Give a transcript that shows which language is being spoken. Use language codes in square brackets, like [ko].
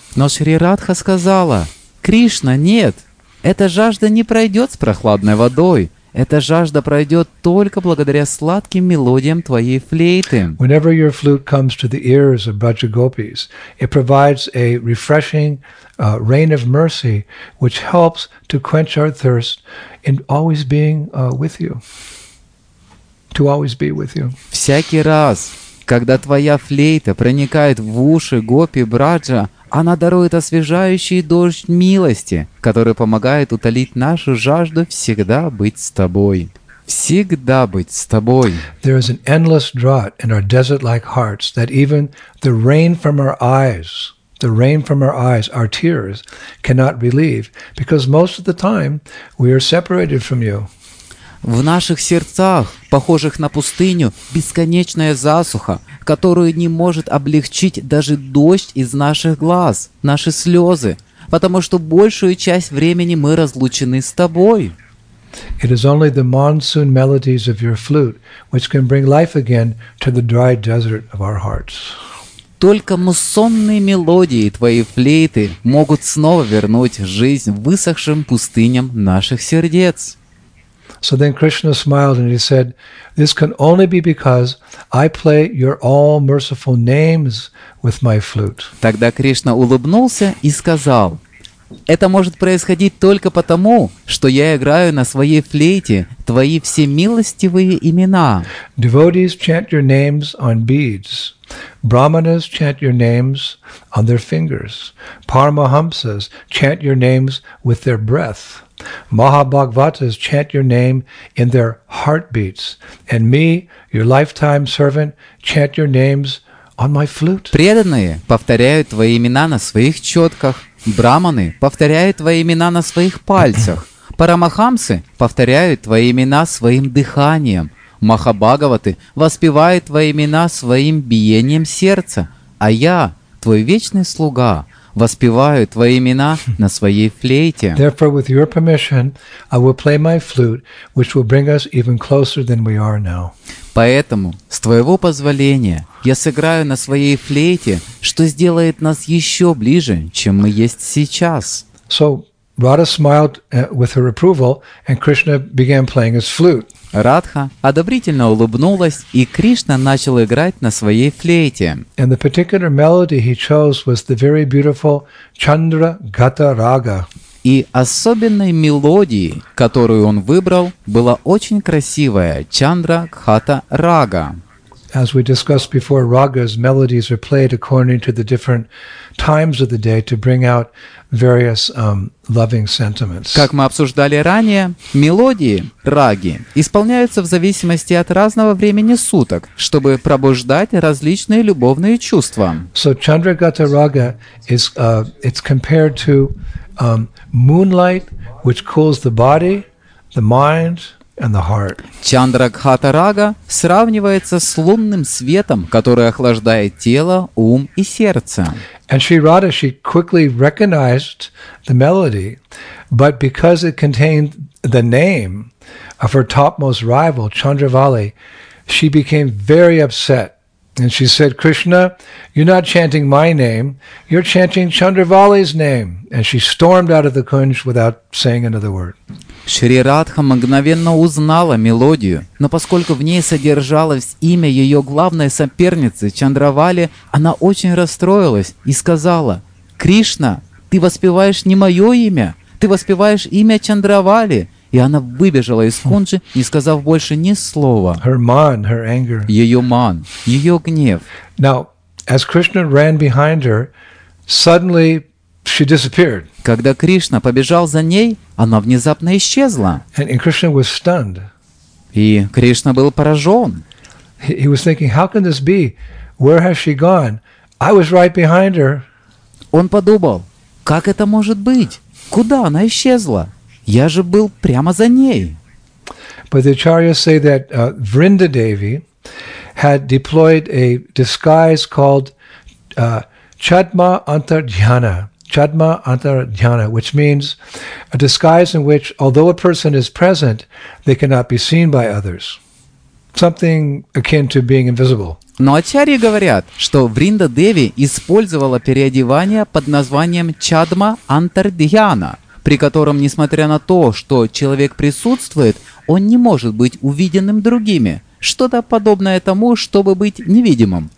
[ru] Но Шри Радха сказала, Кришна, нет, эта жажда не пройдет с прохладной водой. Эта жажда пройдет только благодаря сладким мелодиям твоей флейты. [en] Whenever your flute comes to the ears of Brajagopis, it provides a refreshing rain of mercy, which helps to quench our thirst in always being with you. To always be with you. [ru] Всякий раз, когда твоя флейта проникает в уши гопи Браджа, Она дарует освежающий дождь милости, который помогает утолить нашу жажду всегда быть с тобой. Всегда быть с тобой. [en] There is an endless drought in our desert-like hearts that even the rain from our eyes, our tears, cannot relieve, because most of the time we are separated from you. [ru] В наших сердцах, похожих на пустыню, бесконечная засуха, которую не может облегчить даже дождь из наших глаз, наши слезы, потому что большую часть времени мы разлучены с тобой. [en] It is only the monsoon melodies of your flute which can bring life again to the dry desert of our hearts. [ru] Только муссонные мелодии твоей флейты могут снова вернуть жизнь высохшим пустыням наших сердец. [en] So then Krishna smiled and he said, This can only be because I play your all-merciful names with my flute. [ru] Тогда Кришна улыбнулся и сказал, Это может происходить только потому, что я играю на своей флейте твои всемилостивые имена. [en] Devotees chant your names on beads. Brahmanas chant your names on their fingers. Paramahamsas chant your names with their breath. Mahabhagavatas chant your name in their heartbeats, and me, your lifetime servant, chant your names on my flute. [ru] Преданные повторяют твои имена на своих четках, браманы повторяют твои имена на своих пальцах, парамахамсы повторяют твои имена своим дыханием, махабхагаваты воспевают твои имена своим биением сердца, а я, твой вечный слуга, Воспеваю твои имена на своей флейте. [en] Therefore, with your permission, I will play my flute, which will bring us even closer than we are now. [ru] Поэтому, с твоего позволения, я сыграю на своей флейте, что сделает нас еще ближе, чем мы есть сейчас. [en] So, Radha smiled with her approval, and Krishna began playing his flute. [ru] Радха одобрительно улыбнулась, и Кришна начал играть на своей флейте. [en] And the particular melody he chose was the very beautiful Chandra Gata Raga. [ru] И особенной мелодией, которую он выбрал, была очень красивая Чандра Гата Рага. [en] As we discussed before, ragas melodies are played according to the different times of the day to bring out various loving sentiments. [ru] Как мы обсуждали ранее, мелодии раги исполняются в зависимости от разного времени суток, чтобы пробуждать различные любовные чувства. [en] So Chandragata Raga is it's compared to moonlight, which cools the body, the mind. And the heart. [ru] Чандрагхата Рага сравнивается с лунным светом, который охлаждает тело, ум и сердце. [en] And Sri Radha, she quickly recognized the melody, but because it contained the name of her topmost rival, Chandravali, she became very upset And she said, Krishna, you're not chanting my name, you're chanting Chandravali's name. And she stormed out of the kunj without saying another word. [ru] Шри Радха мгновенно узнала мелодию, но поскольку в ней содержалось имя ее главной соперницы Чандравали, она очень расстроилась и сказала, «Кришна, ты воспеваешь не мое имя, ты воспеваешь имя Чандравали». И она выбежала из кунджи, не сказав больше ни слова. [en] Her man, her anger. [ru] Ее ман, ее гнев. [en] Now, as Krishna ran behind her, suddenly she disappeared. [ru] Когда Кришна побежал за ней, она внезапно исчезла. [en] And Krishna was stunned. [ru] И Кришна был поражен. [en] He was thinking, how can this be? Where has she gone? I was right behind her. [ru] Он подумал, как это может быть? Куда она исчезла? Я же был прямо за ней. [en] But the acharyas say that Vrinda Devi had deployed a disguise called Chadma Antardhyana. Chadma Antardhyana, which means a disguise in which, although a person is present, they cannot be seen by others. Something akin to being invisible. [ru] Но ачарьи говорят, что Вринда Деви использовала переодевание под названием Чадма Антардхьяна, при котором, несмотря на то, что человек присутствует, он не может быть увиденным другими. Что-то подобное тому, чтобы быть невидимым.